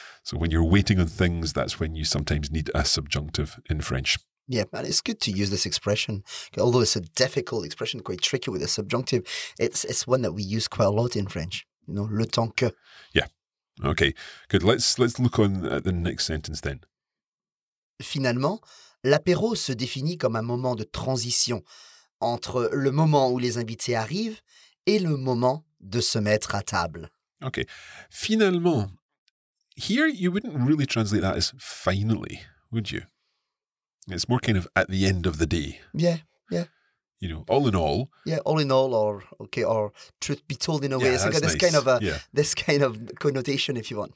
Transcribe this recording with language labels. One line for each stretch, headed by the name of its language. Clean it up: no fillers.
English: So when you're waiting on things, that's when you sometimes need a subjunctive in French. Yeah, and it's good to use this expression. Although it's a difficult expression, quite tricky with a subjunctive, it's one that we use quite a lot in French, you know,
French: le temps que.
English: Yeah, okay, good. Let's look on at the next sentence then.
French: Finalement, l'apéro se définit comme un moment de transition entre le moment où les invités arrivent et le moment de se mettre à table. Okay.
English: Finalement, here you wouldn't really translate that as finally, would you? It's more kind of at the end of the day. Yeah, yeah. You know, all in all. Yeah, all in all, or okay, or truth be told in a way. Yeah, it's like this nice. Kind of a this kind of connotation, if you want.